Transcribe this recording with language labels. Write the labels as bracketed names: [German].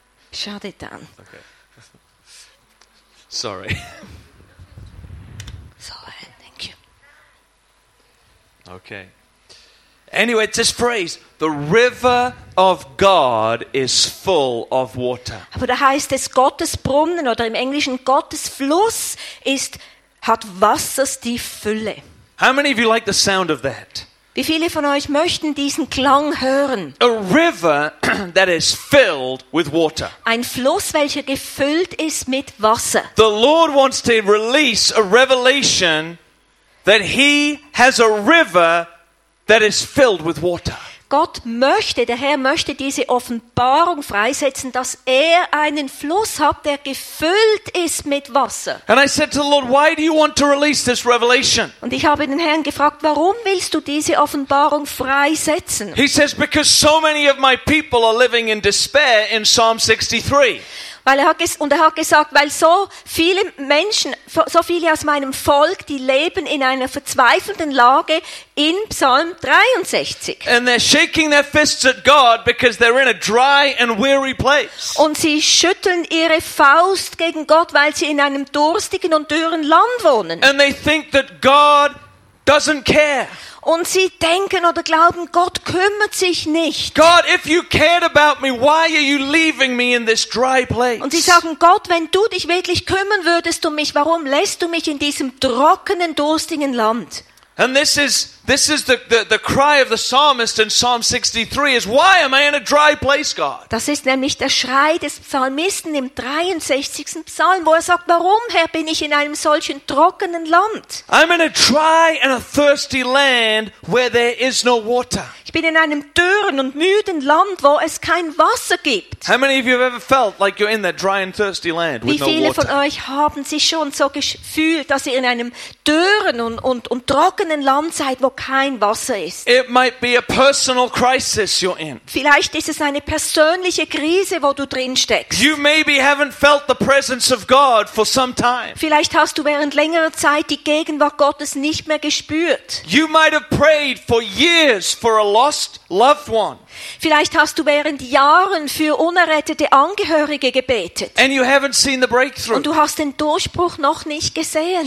[English] Shut it down. Okay. Sorry. Sorry, thank you. Okay. Anyway, it's this phrase, the river of God is full of water. [German] Aber da heißt es, Gottes Brunnen oder im Englischen Gottes Fluss ist, hat Wassers die Fülle. [English] How many of you like the sound of that? [German] Wie viele von euch möchten diesen Klang hören? [English] A river that is filled with water. [German] Ein Fluss, welcher gefüllt ist mit Wasser. [English] The Lord wants to release a revelation that he has a river that is filled with water. [German] Gott möchte, der Herr möchte diese Offenbarung freisetzen, dass er einen Fluss hat, der gefüllt ist mit Wasser. [English] And I said to the Lord, why do you want to release this revelation? [German] Und ich habe den Herrn gefragt, warum willst du diese Offenbarung freisetzen? [English] He says, because so many of my people are living in despair in Psalm 63. [German] Und er hat gesagt, weil so viele Menschen, so viele aus meinem Volk, die leben in einer verzweifelten Lage in Psalm 63. [English] And they're shaking their fists at God because they're in a dry and weary place. [German] Und sie schütteln ihre Faust gegen Gott, weil sie in einem durstigen und dürren Land wohnen. [English] And they think that God doesn't care. [German] Und sie denken oder glauben, Gott kümmert sich nicht. [English] God, if you cared about me, why are you leaving me in this dry place? [German] Und sie sagen, Gott, wenn du dich wirklich kümmern würdest um mich, warum lässt du mich in diesem trockenen, durstigen Land? [English] And this is the cry of the psalmist in Psalm 63 is, why am I in a dry place, God? [German] Das ist nämlich der Schrei des Psalmisten im 63. Psalm, wo er sagt, warum, Herr, bin ich in einem solchen trockenen Land? [English] I'm in a dry and a thirsty land where there is no water. [German] Ich bin in einem dürren und müden Land, wo es kein Wasser gibt. [English] How many of you have ever felt like you're in that dry and thirsty land with no water? [German] Wie viele von euch haben sich schon so gefühlt, dass ihr in einem dürren und trockenen Land seid, wo kein Wasser ist? [English] It might be a personal crisis you're in. [German] Vielleicht ist es eine persönliche Krise, wo du drin steckst. [English] You maybe haven't felt the presence of God for some time. [German] Vielleicht hast du während längerer Zeit die Gegenwart Gottes nicht mehr gespürt. [English] You might have prayed for years for a lost loved one. [German] Vielleicht hast du während Jahren für unerrettete Angehörige gebetet. [English] And you haven't seen the breakthrough. [German] Und du hast den Durchbruch noch nicht gesehen.